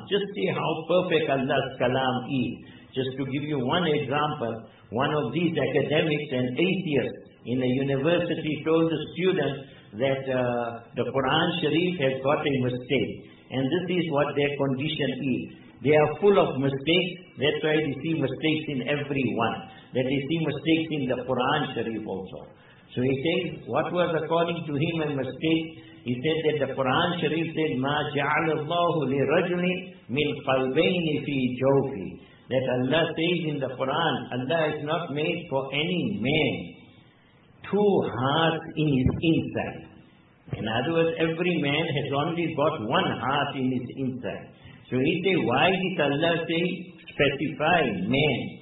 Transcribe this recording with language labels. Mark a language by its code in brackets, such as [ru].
[en] Just see how perfect Allah's kalam is. Just to give you one example, one of these academics and atheists in a university told the students that the Quran Sharif has got a mistake. And this is what their condition is. They are full of mistakes. That's why they see mistakes in everyone. That they see mistakes in the Quran Sharif also. So he says, what was according to him a mistake? He said that the Quran Sharif said, [ar] مَا جَعَلَ اللَّهُ لِرَجُلٍ مِنْ قَلْبَيْنِ فِي جَوْفِهِ. [en] That Allah says in the Quran, Allah is not made for any man two hearts in his inside. In other words, every man has only got one heart in his inside. So he says, why did Allah say, specify man?